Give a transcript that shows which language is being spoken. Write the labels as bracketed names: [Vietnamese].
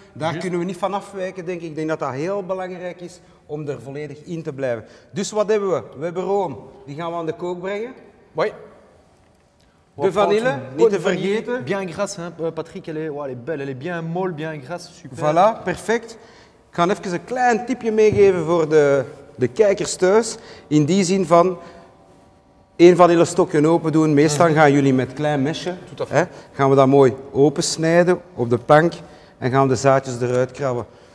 [Dutch] Daar kunnen we niet van afwijken, denk ik. Ik denk dat dat heel belangrijk is om er volledig in te blijven. Dus wat hebben we? We hebben room, die gaan we aan de kook brengen. [French] Oui. [Dutch] De vanille, niet te vergeten. [French] Bien grasse, hein, Patrick, elle est belle, elle est bien molle, bien grasse, super. [Dutch] Voilà, perfect. Ik ga even een klein tipje meegeven voor de kijkers thuis. In die zin van, één vanillestokje open doen. Meestal gaan jullie met klein mesje, hè, gaan we dat mooi opensnijden op de plank. En gaan we de zaadjes eruit krabben.